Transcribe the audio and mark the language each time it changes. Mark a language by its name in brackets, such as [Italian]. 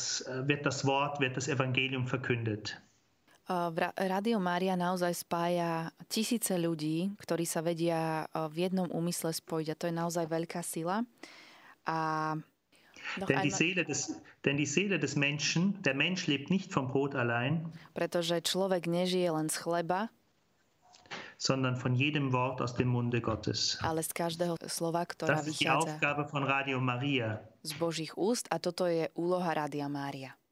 [German] wird das Evangelium verkündet. [Slovak] Rádio Mária naozaj spája tisíce ľudí, ktorí sa vedia v jednom úmysle spojiť. A to je naozaj veľká sila. A [German] Denn die Seele des Menschen lebt nicht vom Brot allein, [Slovak] pretože človek nežije len z chleba, [German] sondern von jedem Wort aus dem Munde Gottes. [Slovak] Ale z každého slova, ktorá [German] das [Slovak] vychádza. [German] Das ist die Aufgabe von Radio Maria. [Slovak] Z Božích úst, a toto je úloha Rádia Mária.